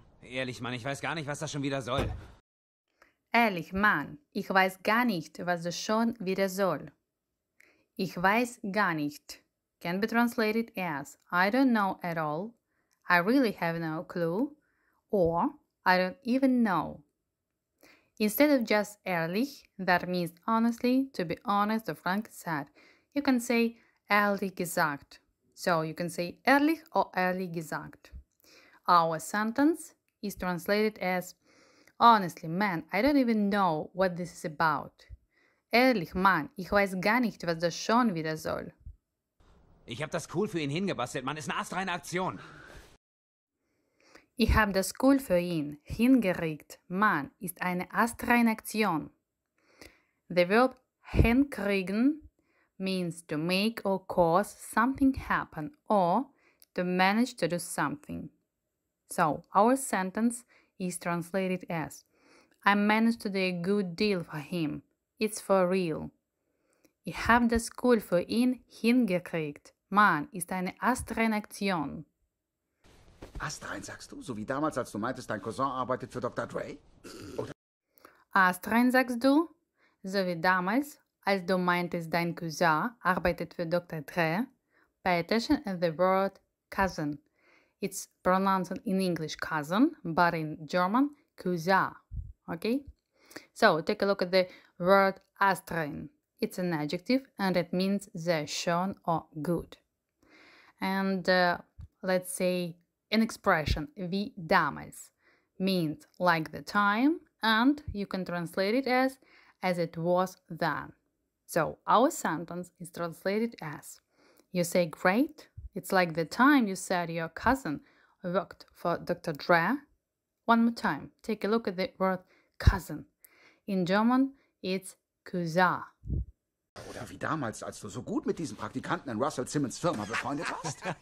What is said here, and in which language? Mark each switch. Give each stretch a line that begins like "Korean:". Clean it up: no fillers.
German: Ehrlich, Mann, ich weiß gar nicht, was das schon wieder soll. Ehrlich, Mann, ich weiß gar nicht, was das schon wieder soll. Ich weiß gar nicht.
English: Can be translated as I don't know at all. I really have no clue. Or I don't even know. Instead of just ehrlich, that means honestly, to be honest or frankly said, you can say
German: ehrlich gesagt.
English: So you can say ehrlich or
German: ehrlich gesagt.
English: Our sentence is translated as honestly, man, I don't even know what this is about.
German: Ehrlich, Mann, ich weiß gar nicht, was das schon wieder soll. Ich hab das cool für ihn hingebastelt, Mann, ist eine astreine Aktion. Ich habe das cool für ihn hingeregt. Mann, ist eine astreine Aktion.
English: The verb hinkriegen means to make or cause something happen or to manage to do something. So, our sentence is translated as I managed to do a good deal for him. It's for real.
German: Ich habe das cool für ihn hingekriegt. Mann, ist eine astreine Aktion. Astrein, sagst du? So wie damals, als du meintest, dein Cousin arbeitet für Dr. Dre? Astrein, sagst du? So wie damals, als du meintest, dein Cousin arbeitet für Dr.
English: Dre? Pay attention to the word cousin. It's pronounced in English cousin, but in German Cousin. Okay? So, take a look at the word astrein. It's an adjective and it means
German: sehr schön
English: or good. And let's say an expression,
German: wie damals,
English: means like the time, and you can translate it as it was then. So, our sentence is translated as, you say great, it's like the time you said your cousin worked for Dr. Dre. One more time, take a look at the word cousin. In German, it's Cousin.
German: Oder wie damals, als du so gut mit diesem Praktikanten in Russell Simmons Firma befreundet warst?